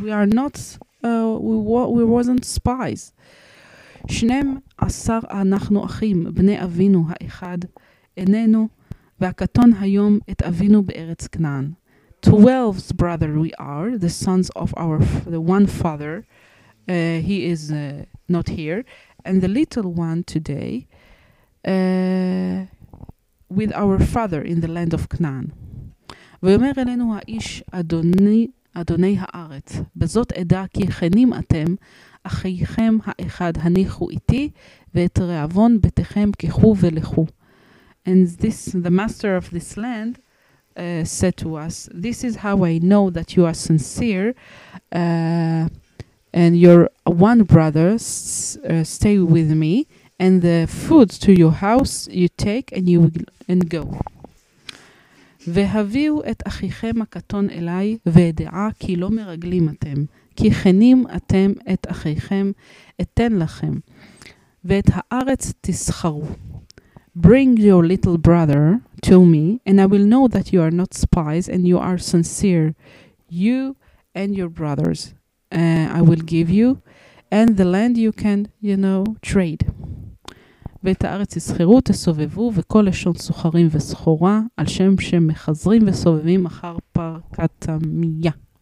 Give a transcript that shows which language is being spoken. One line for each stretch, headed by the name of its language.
English: We are not, we wasn't spies.
Hebrew: שנים עשר אנחנו אחים, בני אבינו האחד, איננו, והקטון היום את אבינו בארץ כנען.
English: 12 brother we are, the sons of the one father. He is not here. And the little one today, with our father in the land of Canaan.
Hebrew: ויאמר אלינו האיש אדוני הארץ, בזאת אדע כי חנים אתם, אחיכם האחד הניחו איתי, ואת רעבון ביתכם קחו ולכו.
English: And this, the master of this land, said to us, this is how I know that you are sincere, and your one brother stay with me, and the food to your house you take and you will, and go.
Hebrew: והביאו את אחיכם הקטון אליי וידעה כי לא מרגלים אתם, כי חנים אתם את אחיכם אתן לכם, ואת הארץ תסחרו.
English: Bring your little brother to me and I will know that you are not spies and you are sincere. You and your brothers I will give you and the land you can, you know, trade.
Hebrew: ואת הארץ יסחרו, תסובבו, וכל לשון סוחרים וסחורה, על שם שמחזרים וסובבים אחר פרקטמיה.